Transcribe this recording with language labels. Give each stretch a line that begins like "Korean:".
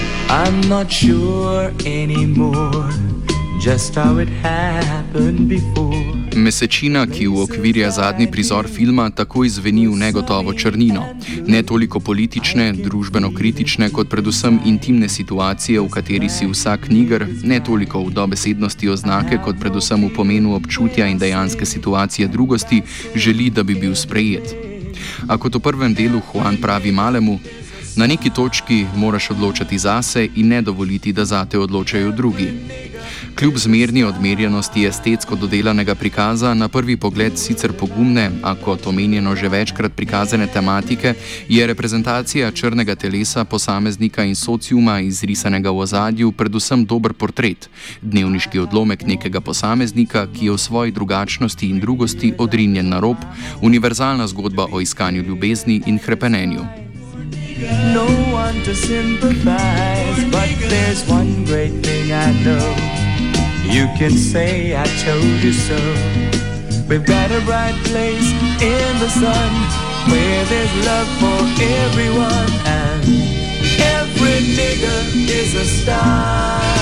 English: I'm not sure anymore just how it happened before.
Slovenian: Mesečina, ki v okvirja zadnji prizor filma, takoj zveni v negotovo črnino. Ne toliko politične, družbeno-kritične, kot predvsem intimne situacije, v kateri si vsak niger, ne toliko v dobesednosti oznake, kot predvsem v pomenu občutja in dejanske situacije drugosti, želi, da bi bil sprejet. A kot v prvem delu Juan pravi malemu, na neki točki moraš odločati zase in ne dovoliti, da zate odločajo drugi. Kljub zmerni odmerjenosti estetsko dodelanega prikaza, na prvi pogled sicer pogumne, a kot omenjeno že večkrat prikazane tematike, je reprezentacija črnega telesa posameznika in sociuma izrisanega v ozadju predvsem dober portret, dnevniški odlomek nekega posameznika, ki je v svoji drugačnosti in drugosti odrinjen na rob, univerzalna zgodba o iskanju ljubezni in hrepenenju.
English: No one to sympathize, but there's one great thing I know. You can say I told you so. We've got a bright place in the sun, where there's love for everyone, and every nigga is a star.